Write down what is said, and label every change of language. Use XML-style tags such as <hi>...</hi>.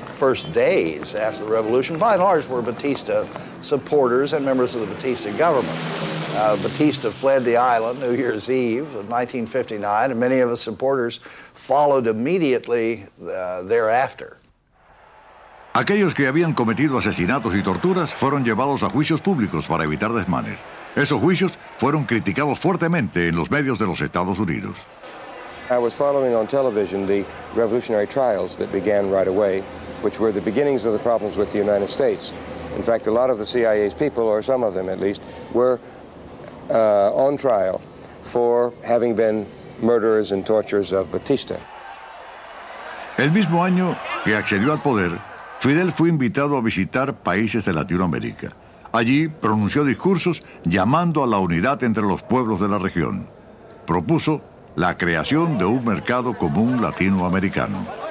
<en>first days after the revolution, by and large, were Batista supporters and members of the Batista government. Batista fled the island New Year's Eve of 1959, and many of his supporters followed immediately thereafter.</en> <es>Aquellos que habían cometido asesinatos y torturas fueron llevados a juicios públicos para evitar desmanes. Esos juicios fueron criticados fuertemente en los medios de los Estados Unidos.</es> <en>I was following on television the revolutionary trials that began right away, which were the beginnings of the problems with the United States. In fact, a lot of the CIA's people, or some of them at least, were on trial for having been murderers and torturers of Batista.</en> <es>El mismo año que accedió al poder, Fidel fue invitado a visitar países de Latinoamérica. Allí pronunció discursos llamando a la unidad entre los pueblos de la región. Propuso la creación de un mercado común latinoamericano.</es>